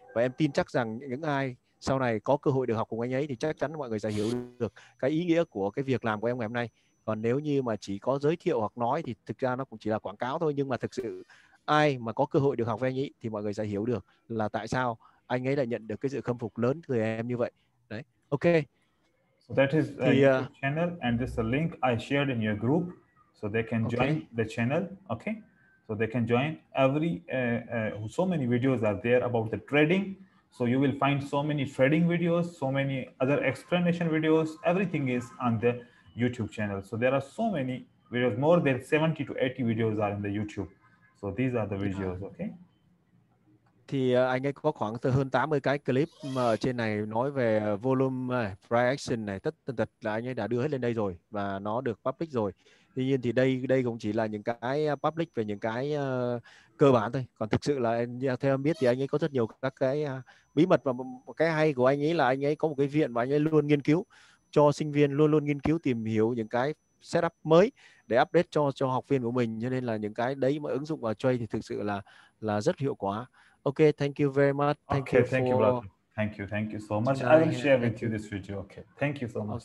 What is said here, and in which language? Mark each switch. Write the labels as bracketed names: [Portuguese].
[Vietnamese] Và em tin chắc rằng những ai sau này có cơ hội được học cùng anh ấy thì chắc chắn mọi người sẽ hiểu được cái ý nghĩa của cái việc làm của em ngày hôm nay. Còn nếu như mà chỉ có giới thiệu hoặc nói thì thực ra nó cũng chỉ là quảng cáo thôi. Nhưng mà thực sự ai mà có cơ hội được học với anh ấy thì mọi người sẽ hiểu được là tại sao anh ấy lại nhận được cái sự khâm phục lớn từ em như vậy. Đấy, ok. [English] So that is a YouTube channel and this is a link I shared in your group. So they can join the channel, okay? So they can join every, so many videos are there about the trading. So you will find so many trading videos, so many other explanation videos, everything is on the YouTube channel. So there are so many videos, more than 70 to 80 videos are in the YouTube. So these are the videos, okay? [Vietnamese] Thì anh ấy có khoảng từ hơn 80 cái clip mà trên này nói về volume, price action này, tất tần tật là anh ấy đã đưa hết lên đây rồi và nó được public rồi. Tuy nhiên thì đây cũng chỉ là những cái public về những cái cơ bản thôi. Còn thực sự là theo em biết thì anh ấy có rất nhiều các cái bí mật, và cái hay của anh ấy là anh ấy có một cái viện và anh ấy luôn nghiên cứu cho sinh viên, luôn luôn nghiên cứu tìm hiểu những cái setup mới để update cho học viên của mình. Cho nên là những cái đấy mà ứng dụng vào trade thì thực sự là rất hiệu quả. [English] Okay, thank you very much. Thank you so much. I will share with you this video. Okay, thank you so much.